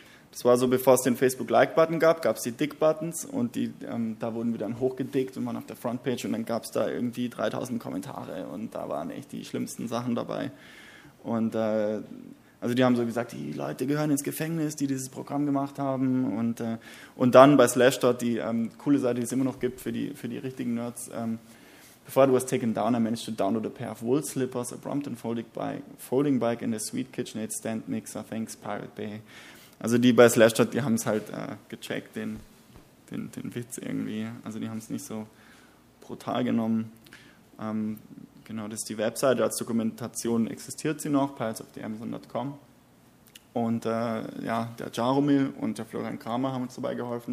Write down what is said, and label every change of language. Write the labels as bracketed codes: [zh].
[de] Das war so, bevor es den Facebook-Like-Button gab, gab es die Dick-Buttons und die, da wurden wir dann hochgedickt und waren auf der Frontpage und dann gab es da irgendwie 3000 Kommentare und da waren echt die schlimmsten Sachen dabei. Und also die haben so gesagt, die Leute gehören ins Gefängnis, die dieses Programm gemacht haben. Und dann bei Slashdot, die coole Seite, die es immer noch gibt für die richtigen Nerds. [en] Before it was taken down, I managed to download a pair of wool slippers, a Brompton folding bike and a sweet KitchenAid stand mixer. Thanks, Pirate Bay. [de] Also die bei Slashdot, die haben es halt gecheckt, den Witz irgendwie. Also die haben es nicht so brutal genommen. Genau, das ist die Webseite, als Dokumentation existiert sie noch, piratesoftheamazon.com. Und der Jaromil und der Florian Kramer haben uns dabei geholfen.